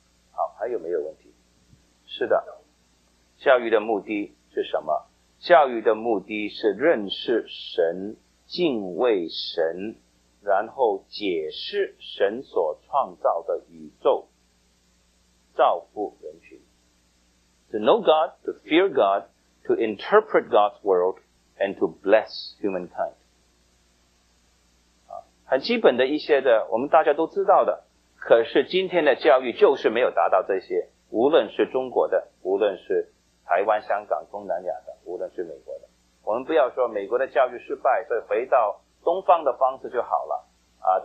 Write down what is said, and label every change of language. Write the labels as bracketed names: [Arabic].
[Chinese] 好，还有没有问题？是的，教育的目的是什么？教育的目的是认识神，敬畏神，然后解释神所创造的宇宙，造福人群。 [English] To know God, to fear God, to interpret God's world, and to bless humankind. [Chinese] 很基本的一些的我们大家都知道的，可是今天的教育就是没有达到这些，无论是中国的，无论是台湾、香港、东南亚的，无论是美国的，我们不要说美国的教育失败，所以回到东方的方式就好了啊。